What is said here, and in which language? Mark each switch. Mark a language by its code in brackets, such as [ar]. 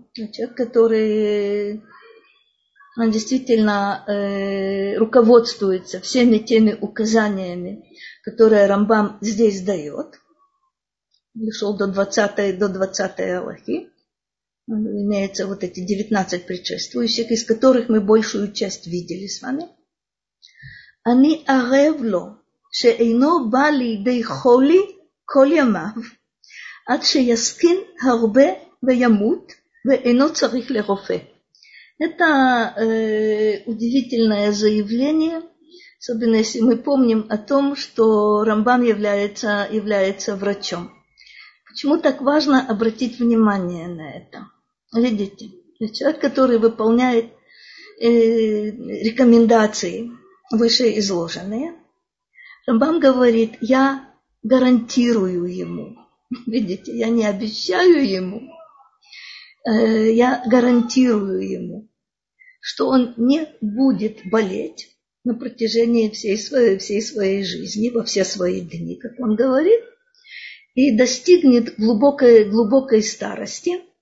[ru] Человек, который действительно руководствуется всеми теми указаниями, которые Рамбам здесь дает. Дошел до 20-й Аллахи. Имеются вот эти 19 предшествующих, из которых мы большую часть видели с вами. [he] Ани арев ло. שאינו בא לידי חולי כל ימיו, עד שיסכין הרבה וימות, ואינו צריך לרופא. [ru] Это удивительное заявление, особенно если мы помним о том, что Рамбам является врачом. Почему так важно обратить внимание на это? Видите, человек, который выполняет рекомендации, вышеизложенные, Рамбам говорит, я гарантирую ему, видите, я не обещаю ему, я гарантирую ему, что он не будет болеть на протяжении всей своей жизни, во все свои дни, как он говорит, и достигнет глубокой старости